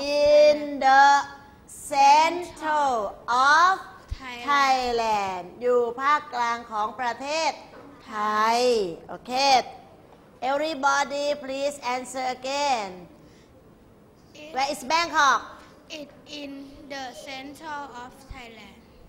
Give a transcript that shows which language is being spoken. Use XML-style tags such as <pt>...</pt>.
<en>in the center of Thailand.</en> <th>อยู่ภาคกลางของประเทศไทยโอเค</th> <en>Everybody please answer again. Where is Bangkok? It in the center of Thailand.</en>